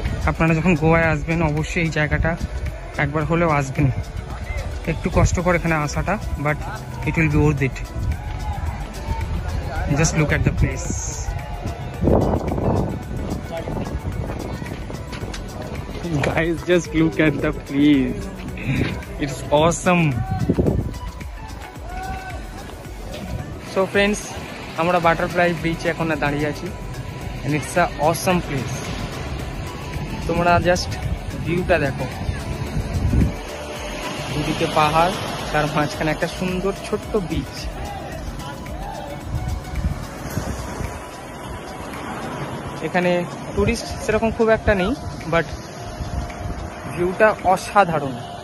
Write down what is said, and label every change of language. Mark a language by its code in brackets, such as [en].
[bn] আপনারা যখন গোয়ায় আসবেন অবশ্যই এই জায়গাটা একবার হলেও আসবেন, একটু কষ্ট করে এখানে আসাটা, [en] But it will be worth it, just look at the place. Guys, just look at the place. It's awesome. [bn] So friends, আমরা বাটারফ্লাই বিচে এখন দাঁড়িয়ে আছি, [en] and it's a awesome place. [bn] তোমরা জাস্ট ভিউটা দেখো, দুদিকে পাহাড়, তার মাঝখানে একটা সুন্দর ছোট্ট বিচ। এখানে টুরিস্ট সেরকম খুব একটা নেই, বাট ভিউটা অসাধারণ।